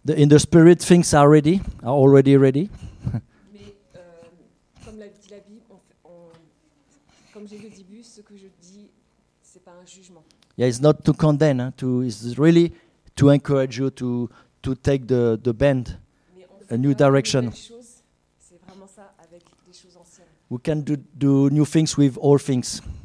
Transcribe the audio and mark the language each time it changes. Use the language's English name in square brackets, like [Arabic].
[English] In the spirit, things are ready, are already ready. [French] Mais comme l'a dit la Bible, comme j'ai dit au début, ce que je dis, c'est pas un jugement. [English] Yeah, it's not to condemn. Hein, to, it's really to encourage you to take the bend, a new direction. [French] C'est vraiment ça, avec des choses anciennes. [English] We can do new things with old things.